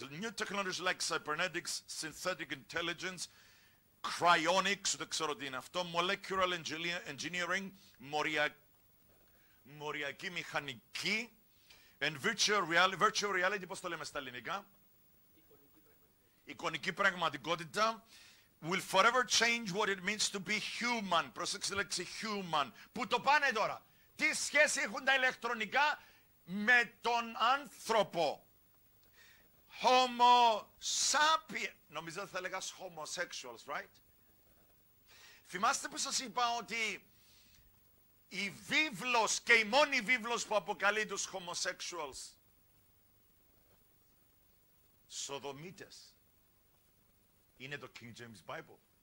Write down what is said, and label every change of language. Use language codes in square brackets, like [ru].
[en] New technologies like cybernetics, synthetic intelligence, cryonics, δεν ξέρω τι είναι αυτό, molecular engineering, μοριακή μηχανική, and virtual reality, πώς το λέμε στα ελληνικά, εικονική πραγματικότητα will forever change what it means to be human. [el] Προσέξτε τη λέξη human. Πού το πάνε τώρα? Τι σχέση έχουν τα ηλεκτρονικά με τον άνθρωπο? Homo sapiens. Νομίζω θα λέγας homosexuals, right? Θυμάστε που σας είπα ότι η βίβλος και η μόνη βίβλος που αποκαλεί τους homosexuals σοδομίτες είναι το King James Bible.